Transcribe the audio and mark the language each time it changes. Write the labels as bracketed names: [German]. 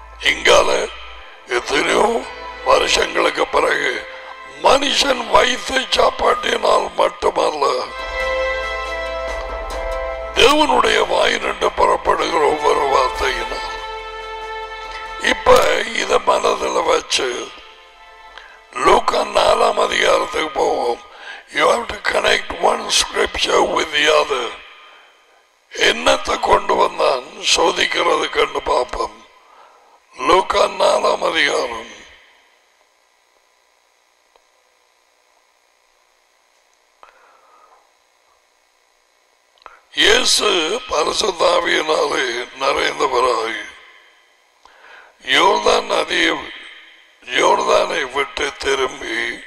[Tamil] இங்கால எத்தனையோ வருஷங்களுக்கு பிறகு மனுஷன் வயிற்றை சாப்பாட்டினால் மட்டுமல்ல, தேவனுடைய வாயினின்று புறப்படுகிற ஒவ்வொரு வார்த்தையினால். இப்ப இத மனதில் வச்சு லூக்கா 4 அதிகாரத்துக்கு போவோம். [English] You have to connect one scripture with the other. [Tamil] என்னத்தை கொண்டு வந்தான் சோதிக்கிறது கண்டு பார்ப்போம். லூக்கா 4 அதிகாரம் இயேசு பரிசுத்தாவியினாலே நிறைந்தவராய் யோர்தான் நதியை யோர்தானை விட்டு திரும்பி